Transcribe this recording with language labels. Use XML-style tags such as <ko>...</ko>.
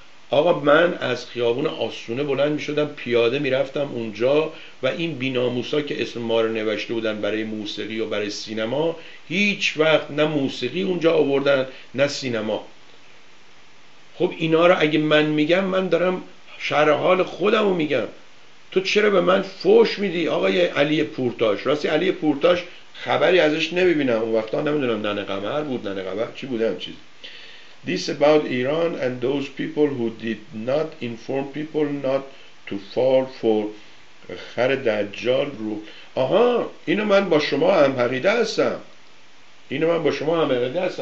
<fa>آقا من از خیابون آسونه بلند می شدم پیاده می رفتم اونجا و این بیناموسا که اسم ما رو نوشته بودن برای موسیقی و برای سینما، هیچ وقت نه موسیقی اونجا آوردن نه سینما. خب اینا رو اگه من میگم، من دارم شرح حال خودم رو میگم، تو چرا به من فوش میدی آقای علی پورتاش؟ راستی علی پورتاش خبری ازش نمیبینم، اون وقتا نمیدونم ننه قمر بود، ننه قمر چی بودم چیز.</fa> <en>This about Iran and those people who did not inform people not to fall for</en> <fa>خر دجال رو. آها اینو من با شما هم عقیده هستم، اینو من با شما هم عقیده هستم.</fa>